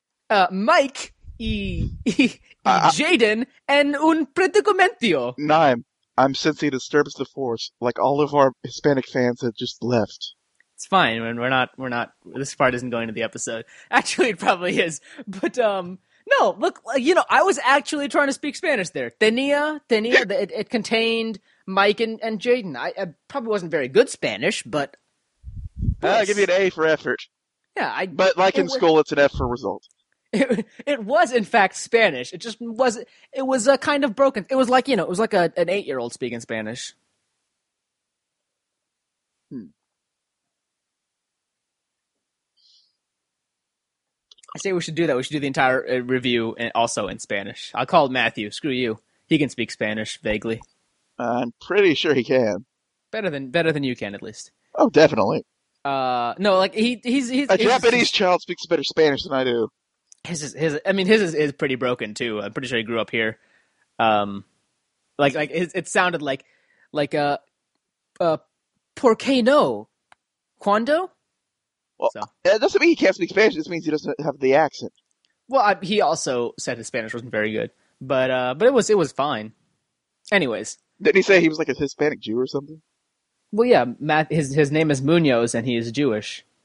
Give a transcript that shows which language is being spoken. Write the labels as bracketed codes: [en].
[es] Tenía Mike y Jaden en un predicamento. [en] Naim, I'm sensing a disturbance of the force. Like all of our Hispanic fans have just left. It's fine. We're not. This part isn't going to the episode. Actually, it probably is. But no. Look, you know, I was actually trying to speak Spanish there. Tenía. It contained Mike and Jaden. I probably wasn't very good Spanish, but I'll give you an A for effort. Yeah, I. But like in school, it's an F for result. It was in fact Spanish. It just was. It was a kind of broken. It was like, you know, it was like an 8 year old speaking Spanish. I say we should do that. We should do the entire review also in Spanish. I'll call Matthew. Screw you. He can speak Spanish vaguely. I'm pretty sure he can. Better than you can, at least. Oh, definitely. No, like he's a Japanese child speaks better Spanish than I do. His is pretty broken too. I'm pretty sure he grew up here. It sounded like [es] ¿por qué no? ¿Cuándo? [en] Well, so. It doesn't mean he can't speak Spanish. It just means he doesn't have the accent. Well, he also said his Spanish wasn't very good, but it was fine. Anyways, didn't he say he was like a Hispanic Jew or something? Well, yeah, Matt. His name is Munoz, and he is Jewish.